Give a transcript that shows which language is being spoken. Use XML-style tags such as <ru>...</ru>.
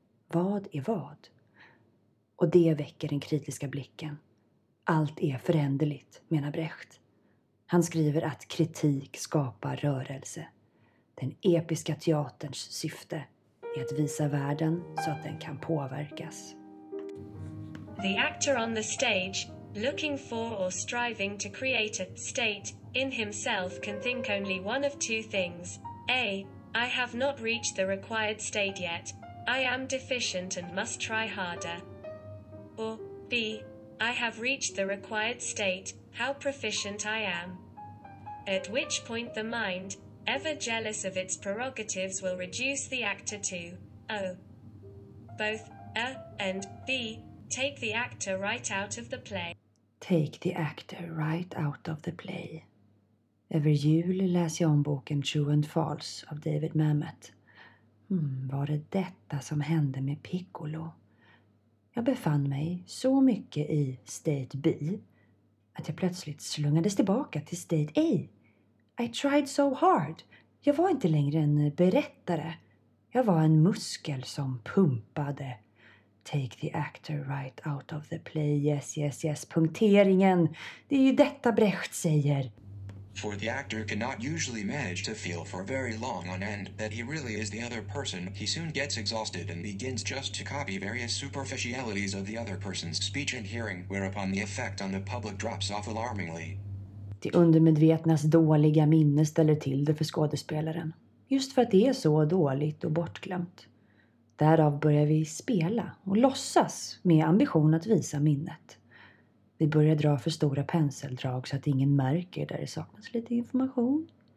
<sv>Vad är vad? Och det väcker den kritiska blicken. Allt är föränderligt, menar Brecht. Han skriver att kritik skapar rörelse. Den episka teaterns syfte är att visa världen så att den kan påverkas.</sv> <en>The actor on the stage, looking for or striving to create a state in himself, can think only one of two things. A. I have not reached the required state yet. I am deficient and must try harder. Or B. I have reached the required state. How proficient I am. At which point the mind, ever jealous of its prerogatives, will reduce the actor to O. Both A and B. Take the actor right out of the play. Take the actor right out of the play.</en> <sv>Över jul läser jag om boken True and False av David Mamet. Var det detta som hände med Piccolo? Jag befann mig så mycket i state B att jag plötsligt slungades tillbaka till state A.</sv> <en>I tried so hard.</en> <sv>Jag var inte längre en berättare. Jag var en muskel som pumpade.</sv> <en>Take the actor right out of the play. Yes, yes, yes.</en> <sv>Punkteringen. Det är ju detta Brecht säger.</sv> <en>For the actor cannot usually manage to feel for very long on end that he really is the other person. He soon gets exhausted and begins just to copy various superficialities of the other person's speech and hearing, whereupon the effect on the public drops off alarmingly.</en> <sv>Det undermedvetnas dåliga minne ställer till det för skådespelaren. Just för att det är så dåligt och bortglömt. Därav börjar vi spela och låtsas med ambition att visa minnet. Vi börjar dra för stora penseldrag så att ingen märker där det saknas lite information.</sv>